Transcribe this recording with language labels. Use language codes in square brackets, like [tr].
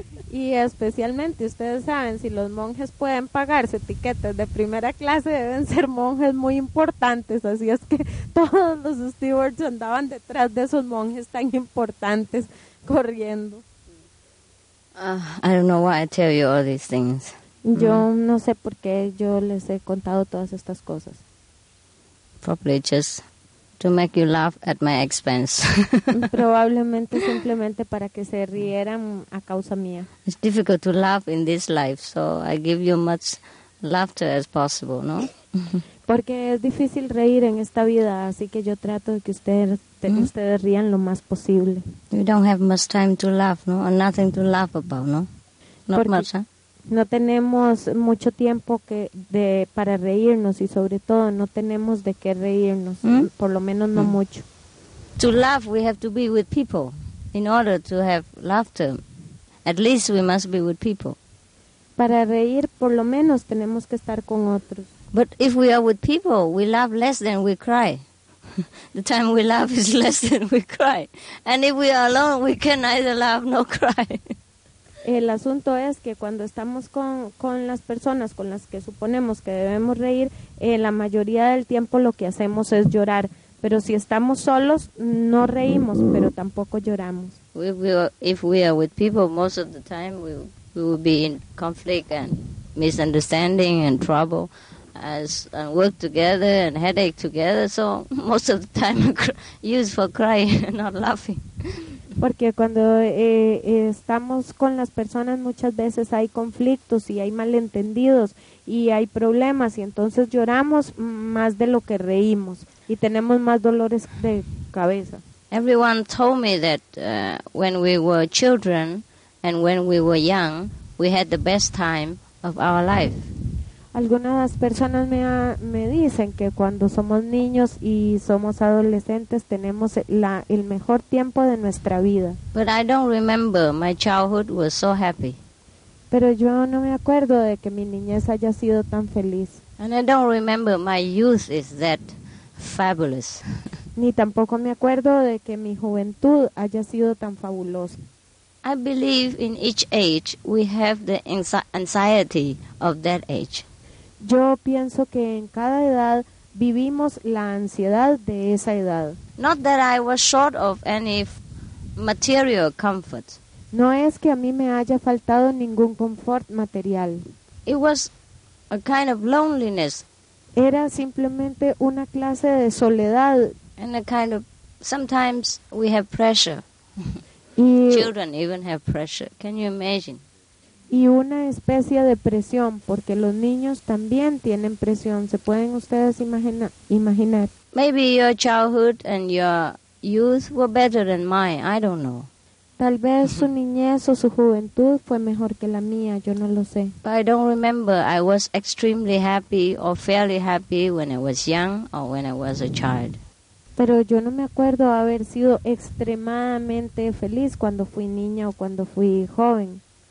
[es] Y especialmente ustedes saben, si los monjes pueden pagarse tiquetes de primera clase, deben ser monjes muy importantes. Así es que todos los stewards andaban detrás de esos monjes tan importantes corriendo. [en] I don't know why I tell you all these things. [es] Yo no sé por qué yo les he contado todas estas cosas. [en] Probably just to make you laugh at my expense. [es] Probablemente simplemente para que se rieran a causa mía. [en] It's difficult to laugh in this life, so I give you much laughter as possible, no? [es] Porque es difícil reír en esta vida, así que yo trato de que ustedes rían lo más posible. [en] You don't have much time to laugh, no? Or nothing to laugh about, no? Not [es] porque [en] much, huh? [es] No tenemos mucho tiempo para reírnos, y sobre todo no tenemos de qué reírnos, por lo menos no mucho. [en] To laugh, we have to be with people. In order to have laughter, at least we must be with people. [es] Para reír, por lo menos tenemos que estar con otros. [en] But if we are with people, we laugh less than we cry. The time we laugh is less than we cry. And if we are alone, we can neither laugh nor cry. [es] El asunto es que cuando estamos con las personas con las que suponemos que debemos reír, la mayoría del tiempo lo que hacemos es llorar. Pero si estamos solos, no reímos, pero tampoco lloramos. [en] If we are with people, most of the time we will be in conflict and misunderstanding and trouble. And work together and headache together, so most of the time used for crying, not laughing. [es] Porque cuando estamos con las personas muchas veces hay conflictos y hay malentendidos y hay problemas y entonces lloramos más de lo que reímos y tenemos más dolores de cabeza. [en] Everyone told me that when we were children and when we were young, we had the best time of our life. [es] Algunas personas me dicen que cuando somos niños y somos adolescentes tenemos el mejor tiempo de nuestra vida. [en] But I don't remember my childhood was so happy. [es] Pero yo no me acuerdo de que mi niñez haya sido tan feliz. [en] And I don't remember my youth is that fabulous. [es] Ni tampoco me acuerdo de que mi juventud haya sido tan fabulosa. [en] I believe in each age we have the anxiety of that age. [es] Yo pienso que en cada edad vivimos la ansiedad de esa edad. [en] Not that I was short of any material comfort. [es] No es que a mí me haya faltado ningún confort material. [en] It was a kind of loneliness. [es] Era simplemente una clase de soledad. [en] And a kind of, sometimes we have pressure. Children even have pressure. Can you imagine? [es] Y una especie de presión, porque los niños también tienen presión. ¿Se pueden ustedes imaginar? [en] Maybe your childhood and your youth were better than mine. I don't know. [es] Tal vez su niñez o su juventud fue mejor que la mía. Yo no lo sé. [en] But I don't remember I was extremely happy or fairly happy when I was young or when I was a child. [es] Pero yo no me acuerdo haber sido extremadamente feliz cuando fui niña o cuando fui joven.